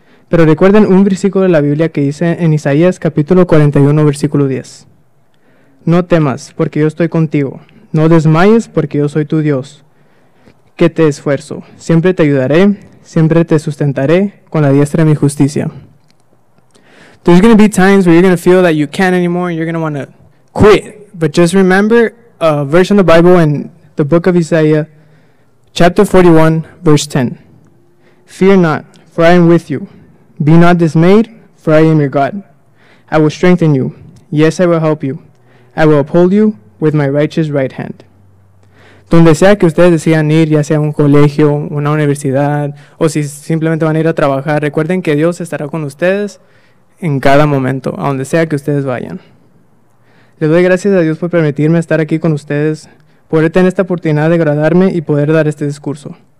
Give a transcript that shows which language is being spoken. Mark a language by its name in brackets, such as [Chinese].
[Spanish] Pero recuerden un versículo de la Biblia que dice en Isaías capítulo 41, versículo 10. No temas, porque yo estoy contigo. No desmayes, porque yo soy tu Dios. Que te esfuerzo. Siempre te ayudaré, siempre te sustentaré con la diestra de mi justicia. [English] There's going to be times where you're going to feel that you can't anymore and you're going to want to quit. But just remember a verse in the Bible in the book of Isaiah, chapter 41, verse 10. Fear not, for I am with you. Be not dismayed, for I am your God. I will strengthen you. Yes, I will help you. I will uphold you with my righteous right hand. [Spanish] Donde sea que ustedes decidan ir, ya sea un colegio, una universidad, o si simplemente van a ir a trabajar, recuerden que Dios estará con ustedes en cada momento, a donde sea que ustedes vayan. Les doy gracias a Dios por permitirme estar aquí con ustedes, poder tener esta oportunidad de graduarme y poder dar este discurso.